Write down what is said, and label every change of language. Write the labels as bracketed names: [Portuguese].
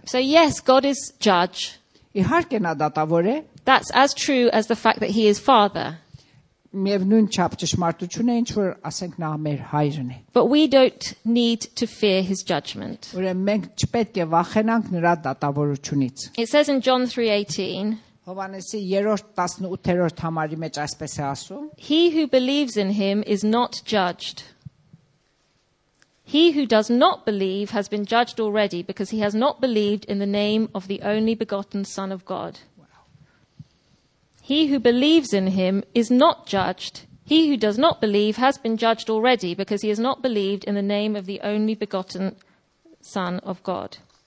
[English] So yes, God is judge. [Armenian] Իհարկե նա դատավոր է։ [English] That's as true as the fact that he is father. [Armenian] Միևնույն չափ ճշմարտություն է, ինչ որ ասենք նա մեր հայրն է։ [English] But we don't need to fear his judgment. [Armenian] Ուրեմն մենք չպետք է վախենանք նրա դատավորությունից։ [English] It says in John 3:18. [Armenian] Հովանեսի 3:18 համարի մեջ այսպես է ասում. [English] He who believes in him is not judged. He who does not believe has been judged already because he has not believed in the name of the only begotten Son of God. Wow. He who believes in him is not judged. He who does not believe has been judged already because he has not believed in the name of the only begotten Son of God.